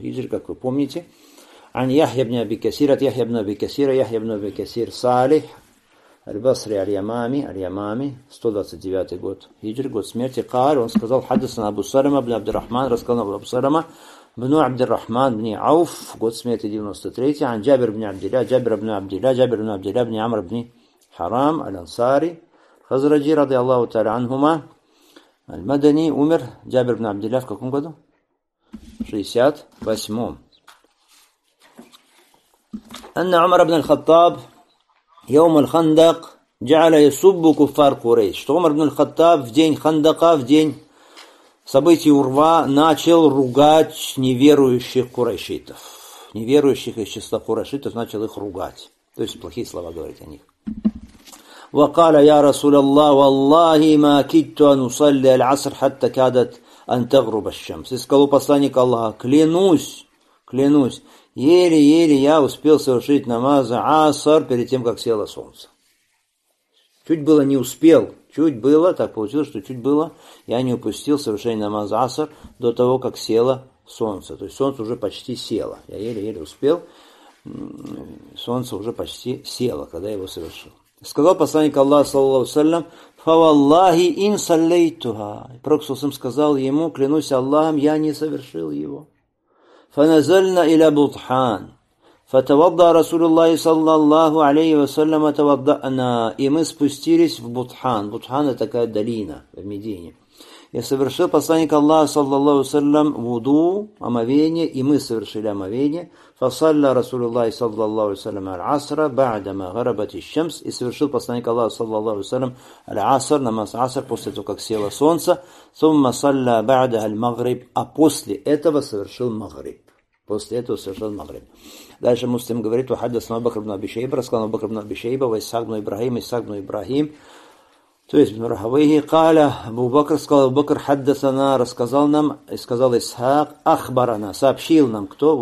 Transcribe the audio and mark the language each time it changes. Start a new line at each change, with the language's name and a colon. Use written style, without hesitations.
Russian: Хиджр, как вы помните, ан Яхья бин Аби Касир, от Яхья бин Аби Касира, Яхья бин Аби Касир, Салих, Аль-Басри Аль-Ямами, 129 год, хиджр, год смерти, Каар, он сказал, хаддасана Абу Салама, бни Абдур-Рахман, рассказал нам Абу Салама, бну Абдур-Рахман, бни Ауф, год смерти, 93-й, ан Джабир бни Абдилля, Джабир бни Абдилля, Джабир бни Абдилля, бни Амр бни Харам, Аль-Ансари, Хазраджи, ради Аллаху Та'ля Анхума, Аль-Мадани, умер, Джабир бни Абдилля, в каком году? 68-м.
Arabic: Анна Умар бни Аль-Хаттаб, يوم الخندق جعل يسب كفار قريش.
Russian: Что Умар ибн аль-Хаттаб в день Хандака, в день событий Урва, начал ругать неверующих курайшитов. Неверующих из числа курайшитов начал их ругать. То есть плохие слова говорить о них.
Arabic: وقال يا رسول الله والله ما كدت أن أصلي العصر حتى كادت أن تغرب الشمس.
Russian: И сказал посланник Аллаха, клянусь, еле-еле я успел совершить намаз Асар перед тем, как село солнце. Чуть было не успел, чуть было, так получилось, что чуть было, я не упустил совершение намаз Асар до того, как село солнце. То есть солнце уже почти село, я еле-еле успел, солнце уже почти село, когда я его совершил. Сказал посланник Аллаха, саллаллаху салям,
Arabic: фаваллахи ин саллейтуха.
Russian: Пророк саллаллаху салям сказал ему, клянусь Аллахом, я не совершил его.
Arabic: فنزلنا إلى بطحان فتوضأ رسول الله صلى الله عليه وسلم توضأنا
Russian: и мы спустились в Бутхан. Бутхан это такая долина в Медине. И совершил посланник Аллаха صلى الله عليه وسلم вуду, омовение, и мы совершили омовение.
Arabic: فصلى رسول الله صلى الله عليه وسلم العصر بعدما غربت الشمس
Russian: и совершил посланник Аллаха صلى الله عليه وسلم العصر, намаз عصر, после того, как село солнце.
Arabic: ثم صلى بعدها المغرب,
Russian: а после этого совершил Магриб. После этого совершил Магриб. Дальше Муслим говорит,
Arabic: وحدثنا بكر بن أبي شيبة,
Russian: рассказал нам بكر بن أبي شيبة,
Arabic: وإسحاق بن إبراهيم,
Russian: إسحاق بن إبراهيم, то есть бин Рахавихи, каля Абу Бакр, сказал Абу Бакр, хаддасана, рассказал нам, и сказал Исхак, ахбарана, сообщил нам, кто?